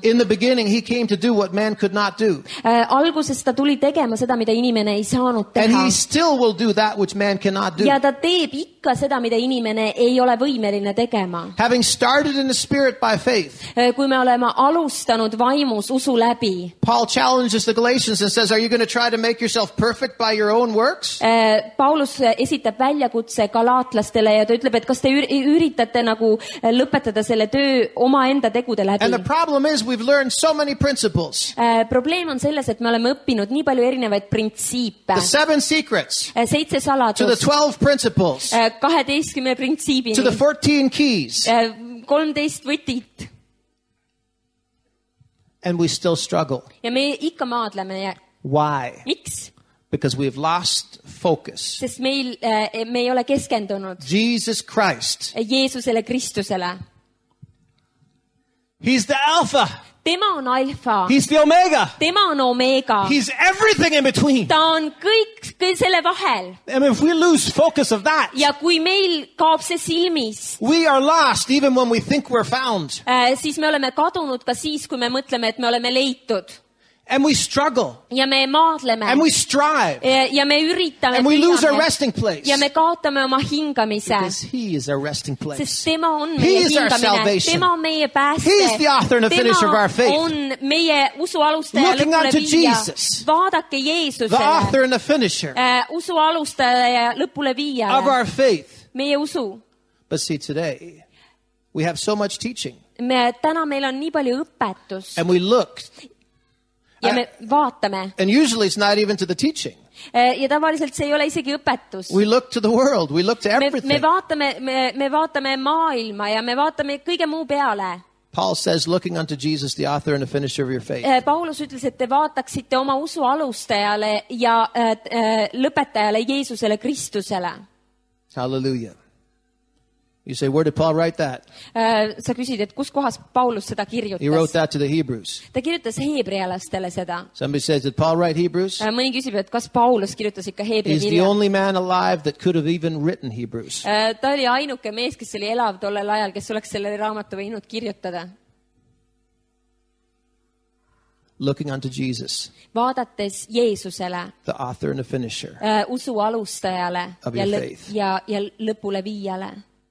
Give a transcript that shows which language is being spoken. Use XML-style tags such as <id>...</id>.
<en>In the beginning he came to do what man could not do.</en> <et>Alguses ta tuli tegema seda, mida inimene ei saanud teha.</et> <en>And he still will do that which man cannot do.</en> <et>Ja ta teeb ikka seda, mida inimene ei ole võimeline tegema.</et> <en>Having started in the spirit by faith.</en> <et>Kui me oleme alustanud vaimus usu läbi.</et> <en>Paul challenges the Galatians and says, are you going to try to make yourself perfect by your own works?</en> <et>Paulus esitab väljakutse galaatlastele ja ta ütleb, et kas te üritate nagu lõpetada selle töö oma enda tegude läbi.</et> <en>And the problem is we've learned so many principles.</en> <et>Probleem on selles, et me oleme õppinud nii palju erinevaid printsiipe.</et> <en>The seven secrets.</en> <et>Seitse saladust.</et> <en>To the 12 principles.</en> <et>12 printsiibi.</et> <en>To the 14 keys.</en> <et>13 võtit.</et> <en>And we still struggle.</en> <et>Ja me ikka maadleme.</et> <en>Why?</en> <et>Miks?</et> <en>Because we've lost focus.</en> <et>Sest meil, me ei ole keskendunud.</et> <en>Jesus Christ.</en> <et>Jeesusele Kristusele.</et> <en>He's the Alpha.</en> <et>Tema on Alpha.</et> <en>He's the Omega.</en> <et>Tema on Omega.</et> <en>He's everything in between.</en> <et>Ta on kõik selle vahel.</et> <en>And if we lose focus of that,</en> <et>ja kui meil kaob see silmis,</et> <en>we are lost even when we think we're found.</en> <et>Siis me oleme kadunud ka siis, kui me mõtleme, et me oleme leitud.</et> <en>And we struggle.</en> <et>Ja me maadleme.</et> <en>And we strive.</en> <et>Ja me üritame.</et> <en>And we lose our resting place.</en> <et>Ja me kaotame oma hingamise.</et> <en>Because he is our resting place.</en> <et>Sest tema on meie hingamine. Tema on meie pääste.</et> <en>He is the author and the finisher of our faith.</en> <et>On meie usu alustaja ja lõpule viija. Vaadake Jeesusele.</et> <en>The author and the finisher.</en> <et>Usu alustaja ja lõpule viija.</et> <en>Of our faith.</en> <et>Meie usu.</et> <en>But see today, we have so much teaching.</en> <et>Me täna meil on nii palju õpetus.</et> <en>And we looked.</en> <et>Ja me vaatame.</et> <en>And usually it's not even to the teaching.</en> <et>Ja tavaliselt see ei ole isegi õpetus.</et> <en>We look to the world, we look to everything.</en> <et>Me vaatame maailma ja me vaatame kõige muu peale.</et> <en>Paul says, looking unto Jesus, the author and the finisher of your faith.</en> <et>Paulus ütles, et te vaataksite oma usu alustajale ja lõpetajale Jeesusele Kristusele.</et> <en>Hallelujah. You say, where did Paul write that?</en> <et>Sa küsid, et kus kohas Paulus seda kirjutas?</et> <en>He wrote that to the Hebrews.</en> <et>Ta kirjutas heebrealastele seda.</et> <en>Somebody says, did Paul write Hebrews?</en> <et>Mõni küsib, et kas Paulus kirjutas ikka heebre kirja?</et> <en>He's the only man alive that could have even written Hebrews.</en> <et>Ta oli ainuke mees, kes oli elav tollel ajal, kes oleks selle raamatu võinud kirjutada.</et> <en>Looking unto Jesus.</en> <et>Vaadates Jeesusele.</et> <en>The author and the finisher.</en> <et>Usu alustajale.</et> <en>Of your faith.</en> <et>Ja lõpule viijale.</et>